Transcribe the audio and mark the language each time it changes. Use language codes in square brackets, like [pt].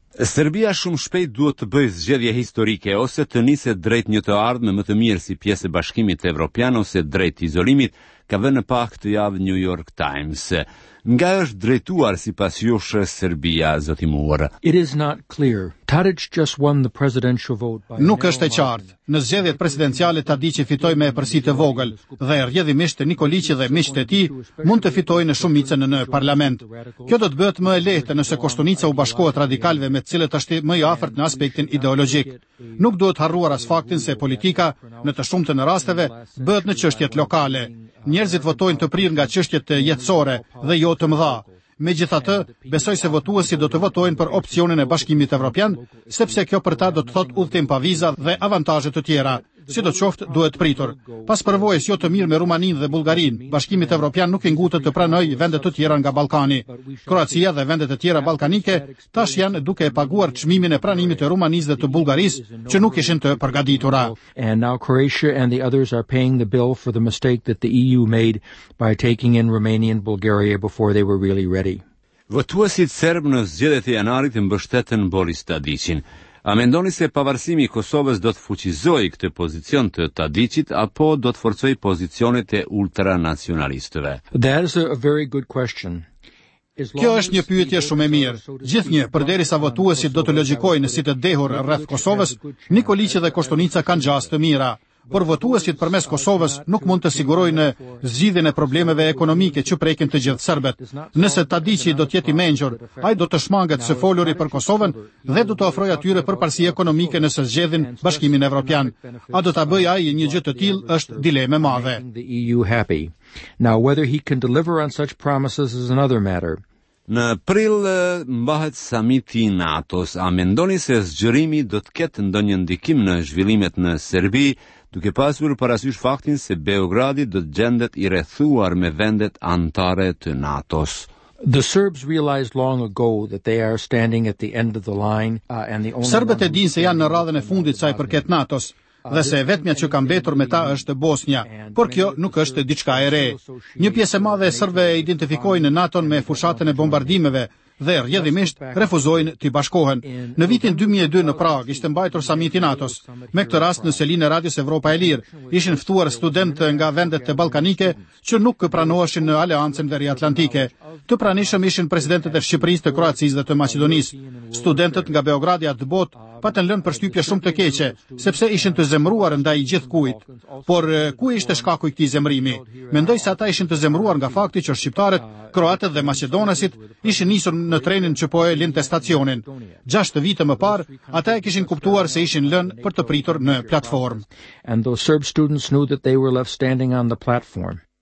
[sq] Serbia shumë shpejt duhet të bëjë zgjedhje historike ose të niset drejt një të ardhme më të mirë si pjesë e bashkimit evropian ose drejt izolimit, ka vënë pak të javë New York Times. Nga është drejtuar sipas jush Serbia, zoti Muar? [en] It is not clear. Tadic just won the presidential vote by [sq] Nuk është e qartë. Në zgjedhjet presidenciale Tadiçi fitoi me përsi të vogël dhe rrjedhimisht Nikoliçi dhe miqët e tij mund të fitojnë shumicën në parlament. Kjo do të bëhet më e lehtë nëse Kostunica u bashkohet radikalëve me të cilët është më i afërt në aspektin ideologjik. Nuk duhet harruar as faktin se politika në të shumtën e rasteve bëhet në çështjet lokale. Njerëzit votojnë të prirë nga çështjet jetësore dhe jo të mëdha. Megjithatë, besoj se votuesit do të votojnë për opsionin e Bashkimit Evropian, sepse kjo për ta do të thotë udhtim pa viza dhe avantazhe të tjera. Sidoqoftë, duhet pritur. Pas përvojës jo të mirë me Rumaninë dhe Bulgarinë, Bashkimit Evropian nuk i ngutet të pranojë vendet të tjera nga Ballkani. Kroacia dhe vendet e tjera ballkanike tash janë duke e paguar çmimin e pranimit të Rumanisë dhe të Bullgarisë që nuk ishin të përgatitura. [en] And now Croatia and the others are paying the bill for the mistake that the EU made by taking in Romania and Bulgaria before they were really ready. [sq] Votuesit serb në zgjedhjet e janarit mbështeten Boris Tadiçin. A mendoni se pavarësimi i Kosovës do të fuqizoj këtë pozicion të Tadiçit apo do të forcoj pozicionet e ultranacionalistëve? [en] That is a very good question. [sq] Kjo është një pyetje shumë e mirë. Gjithnjë, përderisa votuesit do të logjikojnë si të dehur rreth Kosovës, Nikoliçi dhe Kostunica kanë gjasë të mira. Por votuesit përmes Kosovës nuk mund të sigurojnë zgjidhjen e problemeve ekonomike që prekin të gjithë serbët. Nëse Tadiçi do të jetë i mençur, ai do të shmanget së foluri për Kosovën dhe do të ofrojë atyre përparësi ekonomike nëse zgjedhin Bashkimin Evropian. A do ta bëj ai një gjë të tillë është dilemë e madhe. [en] Now whether he can deliver on such promises is another matter. [sq] Në prill mbahet samiti i NATO-s, a mendoni se zgjerimi do të ketë ndonjë ndikim në zhvillimet në Serbi? Duke pasur parasysh faktin se Beogradi do të gjendet i rrethuar me vendet anëtare të NATO-s. [en] The Serbs realized long ago that they are standing at the end of the line and the only [sq] Serbët e dinë se janë në radhën e fundit sa i përket NATO-s. Dhe se vetmja që kam betur me ta është Bosnia, por kjo nuk është diçka e re. Një pjesë e madhe e sërve e identifikojnë në NATO-n me fushatën e bombardimeve dhe rrjedhimisht refuzojnë të bashkohen. Në vitin 2002 në Prag ishte mbajtur samiti NATO-s. Me këtë rast në selinë Radios Evropa e Lirë ishin ftuar studentë nga vendet ballkanike që nuk pranoheshin në Aleancën Veriatlantike. Të pranishëm ishin presidentët e Shqipërisë, të Kroacisë dhe të Maqedonisë. Studentët nga Beogradia të botë patën lënë përshtypje shumë të keqe, sepse ishin të zemruar ndaj gjithkujt. Por ku ishte shkaku i këtij zemrimi? Mendoj se ata ishin të zemruar nga fakti që shqiptarët, kroatët dhë maqedonasit ishin nisur në trenin që po e linte stacionin. 6 vite më parë, ata e kishin kuptuar se ishin lënë për të pritur në platformë. [en] And those Serb students knew that they were left standing on the platform.